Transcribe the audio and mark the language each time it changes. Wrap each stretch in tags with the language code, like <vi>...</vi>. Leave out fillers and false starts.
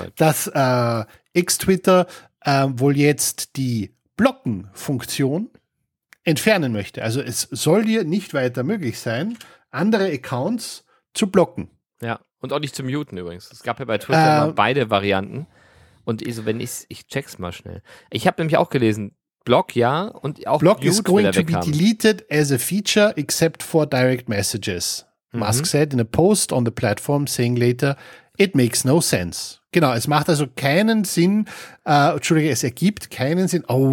<de>dass X-Twitter wohl jetzt die Blocken-Funktion entfernen möchte. Also es soll dir nicht weiter möglich sein, andere Accounts zu blocken. Ja, und auch nicht zu muten übrigens. Es gab ja bei Twitter immer beide Varianten. Und also, wenn ich check's mal schnell. Ich habe nämlich auch gelesen, Block, ja, und auch</de> <en>Block is going to be deleted as a feature except for direct messages. Musk said in a post on the platform saying later, it makes no sense.</en> <de>Genau, es macht also keinen Sinn, es ergibt keinen Sinn.</de>